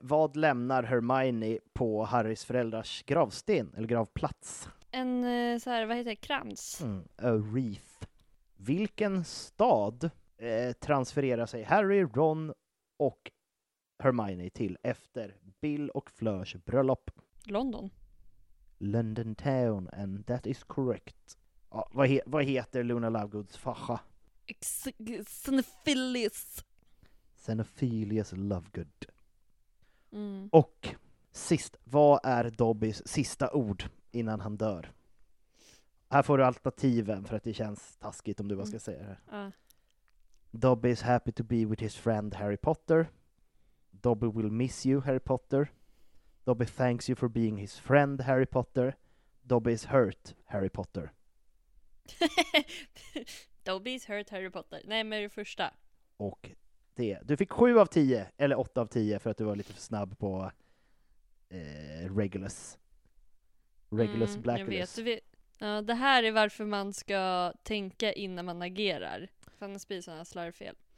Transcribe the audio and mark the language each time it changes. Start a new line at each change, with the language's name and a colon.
Swedish: Vad lämnar Hermione på Harrys föräldrars gravsten eller gravplats? En så här, vad heter det? Krans.
English: Mm, a wreath.
Swedish: Vilken stad transfererar sig Harry, Ron och Hermione till efter Bill och Fleurs bröllop? London.
English: London town, and that is correct.
Swedish: Ja, vad heter Luna Lovegoods farsa? Xenophilius. Xenophilius Lovegood. Mm. Och sist, vad är Dobbys sista ord innan han dör? Här får du alternativen för att det känns taskigt om du bara ska säga det.
English: Dobby is happy to be with his friend Harry Potter. Dobby will miss you, Harry Potter. Dobby thanks you for being his friend, Harry Potter. Dobby is hurt, Harry Potter. Dobby is hurt, Harry Potter.
Swedish: Nej, men det första. Och det. Du fick 7 av 10, eller 8 av 10, för att du var lite för snabb på Regulus. Regulus Blackulus. Jag vet. Det här är varför man ska tänka innan man agerar. Fanny Spies har slarvfel.